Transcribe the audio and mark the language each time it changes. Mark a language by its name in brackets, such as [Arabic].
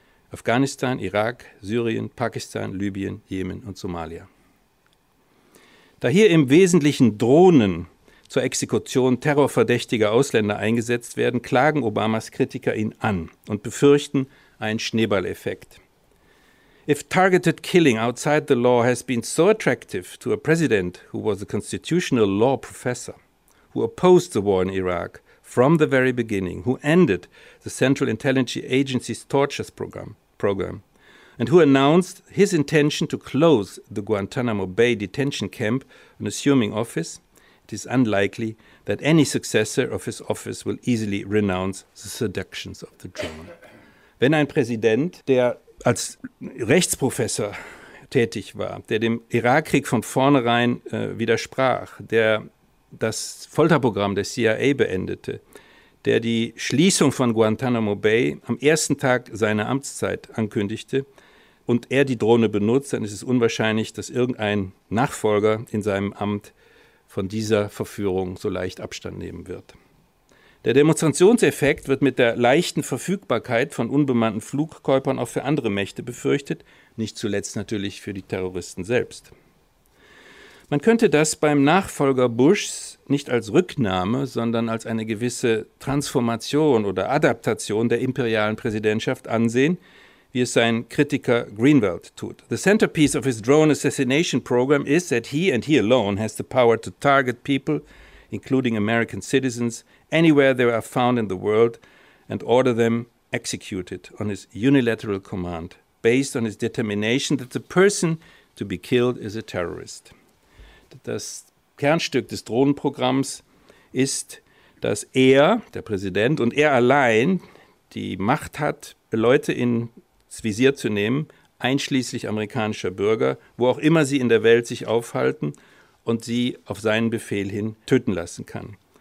[German] Afghanistan, Irak, Syrien, Pakistan, Libyen, Jemen und Somalia. Da hier im Wesentlichen Drohnen zur Exekution terrorverdächtiger Ausländer eingesetzt werden, klagen Obamas Kritiker ihn an und befürchten einen Schneeballeffekt. [English] If targeted killing outside the law has been so attractive to a president who was a constitutional law professor, who opposed the war in Iraq from the very beginning, who ended the Central Intelligence Agency's tortures program, and who announced his intention to close the Guantanamo Bay detention camp on assuming office, it is unlikely that any successor of his office will easily renounce the seductions of the drone. [German] Wenn ein Präsident, der als Rechtsprofessor tätig war, der dem Irakkrieg von vornherein widersprach, der das Folterprogramm der CIA beendete, der die Schließung von Guantanamo Bay am ersten Tag seiner Amtszeit ankündigte und er die Drohne benutzt, dann ist es unwahrscheinlich, dass irgendein Nachfolger in seinem Amt von dieser Verführung so leicht Abstand nehmen wird. Der Demonstrationseffekt wird mit der leichten Verfügbarkeit von unbemannten Flugkörpern auch für andere Mächte befürchtet, nicht zuletzt natürlich für die Terroristen selbst. Man könnte das beim Nachfolger Bushs nicht als Rücknahme, sondern als eine gewisse Transformation oder Adaptation der imperialen Präsidentschaft ansehen, wie es sein Kritiker Greenwald tut. [English] The centerpiece of his drone assassination program is that he and he alone has the power to target people, including American citizens, anywhere they are found in the world and order them executed on his unilateral command, based on his determination that the person to be killed is a terrorist. [German] Das Kernstück des Drohnenprogramms ist, dass er, der Präsident, und er allein die Macht hat, Leute ins Visier zu nehmen, einschließlich amerikanischer Bürger, wo auch immer sie in der Welt sich aufhalten, und sie auf seinen Befehl hin töten lassen kann.